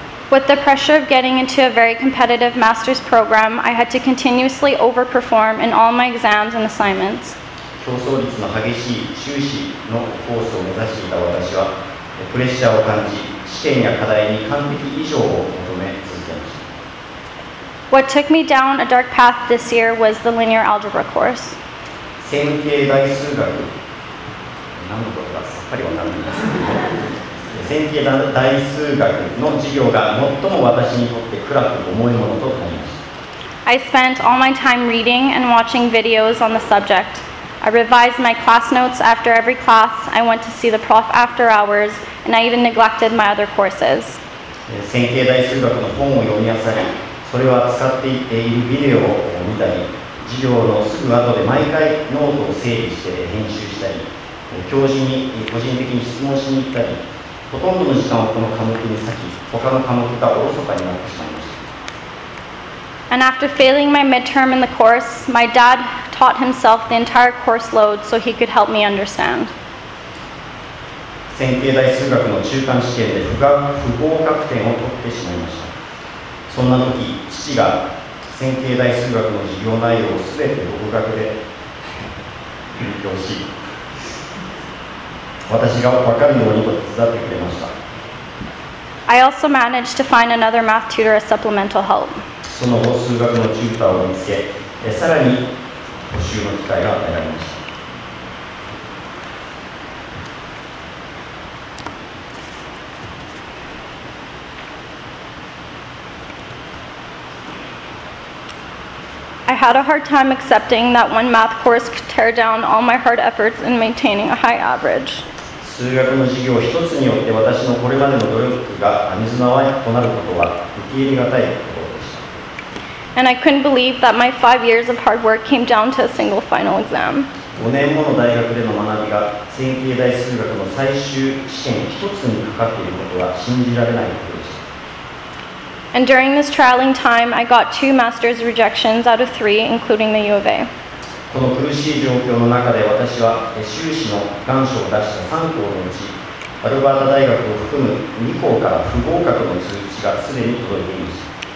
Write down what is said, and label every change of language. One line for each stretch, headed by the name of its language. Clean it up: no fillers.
English: With the pressure of getting into a very competitive master's program, I had to continuously overperform in all my exams and assignments.
Japanese: 競争率の激しい修士のコースを目指していた私は、プレッシャーを感じ、試験や課題に完璧以上を求め続けました。
English: What took me down a dark path this year was the linear algebra course.
Japanese: 線形代数学。何のことかさっぱりわからないです。線形代数学の授業が最も私にとって暗く重いものとなりました。
English: I spent all my time reading and watching videos on the subject. I revised my class notes after every class. I went to see the prof after hours, and I even neglected my other courses.
Japanese: 線形代数学の本を読み漁り、それを扱っているビデオを見たり、授業のすぐ後で毎回ノートを整理して編集したり、教授に個人的に質問しに行ったり、ほとんどの時間をこの科目に割き、他の科目がおろそかになってしまいました。
English: And after failing my midterm in the course, my dad taught himself the entire course load so he could help me understand.
Japanese: 線形代数学の中間試験で不合格点を取ってしまいました。そんな時、父が線形代数学の授業内容をすべて独学で勉強し、私が分かるようにと伝ってくれました。
English: I also managed to find another math tutor as supplemental help.
Japanese: その後、数学のチューターを見つけ、さらに補習の機会が得られました。
English: I had a hard time accepting that one math course could tear down all my hard efforts in maintaining a high average.
Japanese: 数学の授業一つによって私のこれまでの努力が水の泡となることは受け入れがたいことでした。
English: And I couldn't believe that my 5 years of hard work came down to a single final exam.
Japanese: 5年もの大学での学びが線形代数学の最終試験一つにかかっていることは信じられないことでした。
English: And during this trialing time, I got 2 master's rejections out of 3, including the U of A.
Japanese: この苦しい状況の中で私は修士の願書を出した3校のうち、アルバータ大学を含む2校から不合格の通知がすでに届いていました。